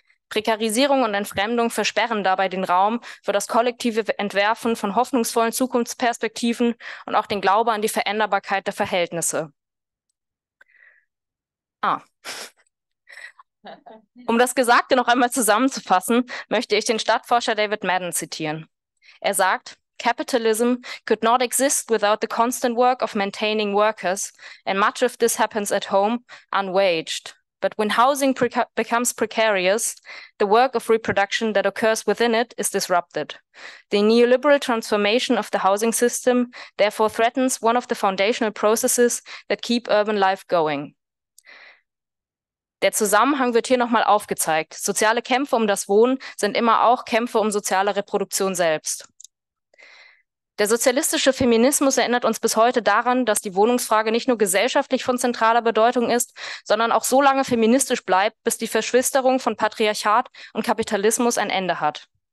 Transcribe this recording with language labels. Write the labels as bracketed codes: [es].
[de] Prekarisierung und Entfremdung versperren dabei den Raum für das kollektive Entwerfen von hoffnungsvollen Zukunftsperspektiven und auch den Glaube an die Veränderbarkeit der Verhältnisse. Um das Gesagte noch einmal zusammenzufassen, möchte ich den Stadtforscher David Madden zitieren. Er sagt: [en] "Capitalism could not exist without the constant work of maintaining workers, and much of this happens at home, unwaged. But when housing becomes precarious, the work of reproduction that occurs within it is disrupted. The neoliberal transformation of the housing system therefore threatens one of the foundational processes that keep urban life going." [de] Der Zusammenhang wird hier nochmal aufgezeigt. Soziale Kämpfe um das Wohnen sind immer auch Kämpfe um soziale Reproduktion selbst. Der sozialistische Feminismus erinnert uns bis heute daran, dass die Wohnungsfrage nicht nur gesellschaftlich von zentraler Bedeutung ist, sondern auch so lange feministisch bleibt, bis die Verschwisterung von Patriarchat und Kapitalismus ein Ende hat.